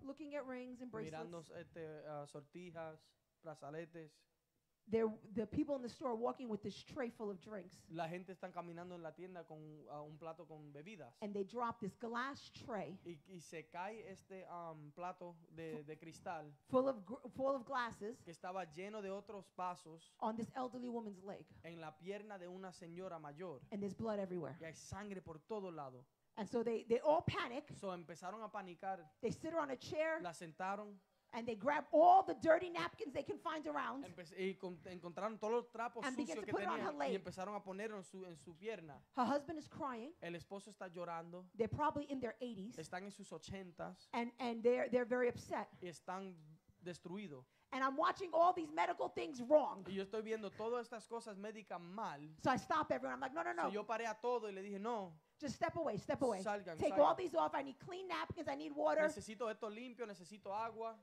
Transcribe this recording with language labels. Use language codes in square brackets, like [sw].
[en] looking at rings and bracelets, [es] mirando sortijas, brazaletes, [en] the people in the store are walking with this tray full of drinks. [es] La gente están caminando en la tienda con un plato con bebidas. [en] And they drop this glass tray. [es] Y se cae este plato de cristal. [en] Full of glasses. [es] Que estaba lleno de otros vasos. [en] On this elderly woman's leg. [es] En la pierna de una señora mayor. [en] And there's blood everywhere. [es] Y hay sangre por todo lado. [en] And so they all panic. [es] So empezaron a panicar. [en] They sit her on a chair. [es] La sentaron. [en] And they grab all the dirty napkins they can find around. [es] Encontraron todos los trapos sucios que tenían y empezaron a ponerlo en su pierna. [en] Her husband is crying. [es] El esposo está llorando. [en] They're probably in their 80s. [es] Están en sus 80s. [en] And they're very upset. [es] Y están destruidos. [en] And I'm watching all these medical things wrong. [es] Y yo estoy viendo todas estas cosas médicas mal. [en] So I stop everyone. I'm like, no, no, no. [es] So yo paré a todo y le dije, no. [en] Just step away, step away. [es] Salgan, [en] take [es] salgan. [en] All these off. I need clean napkins. I need water. [es] Necesito esto limpio, necesito agua.